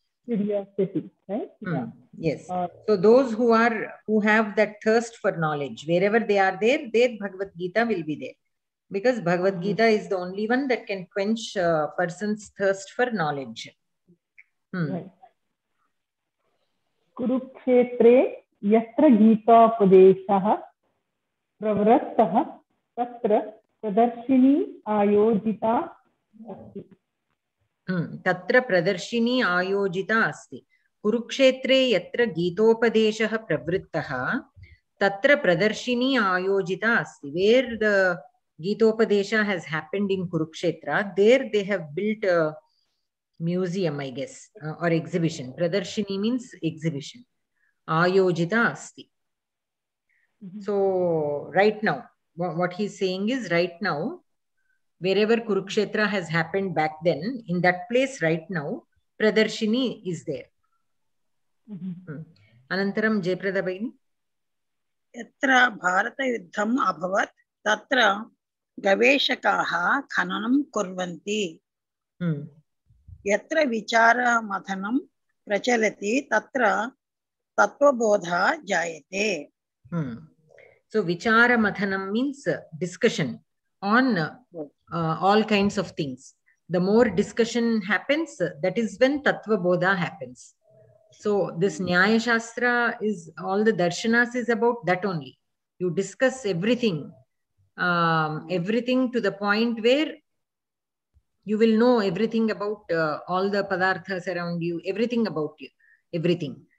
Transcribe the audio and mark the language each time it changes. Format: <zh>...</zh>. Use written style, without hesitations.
<en>Curiosity, right? Yeah. Yes. So those who have that thirst for knowledge, wherever they are there Bhagavad Gita will be there. Because Bhagavad Gita is the only one that can quench a person's thirst for knowledge.</en> <sa>कुरुक्षेत्रे यत्र गीतोपदेशः प्रवृत्तः तत्र प्रदर्शिनी आयोजिता अस्ति. तत्र प्रदर्शिनी आयोजिता अस्ति. कुरुक्षेत्रे यत्र गीतोपदेशः प्रवृत्तः तत्र प्रदर्शिनी आयोजिता अस्ति.</sa> <en>Where the Gitopadesh has happened in Kurukshetra there they have built a museum I guess or exhibition.</en> <sa>प्रदर्शिनी</sa> <en>Means exhibition.</en> <sa>आयोजिता अस्ति.</sa> <en>So right now what he is saying is right now wherever Kurukshetra has happened back then in that place right now प्रदर्शिनी is there.</en> <sa>अनंतरम Jaya Prada भगिनी. यत्र भारतयुद्धम् अभवत् तत्र गवेषकाः खननं कुर्वन्ति. यत्र विचारमथनं प्रचलति तत्र तत्त्वबोधः जायते.</sa> <en>So विचारमथनं means discussion on all kinds of things. The more discussion happens that is when तत्त्वबोधः happens. So this Nyaya Shastra is all the darshanas is about that only. You discuss everything, everything to the point where you will know everything about all the padarthas around you, everything about you, everything.</en>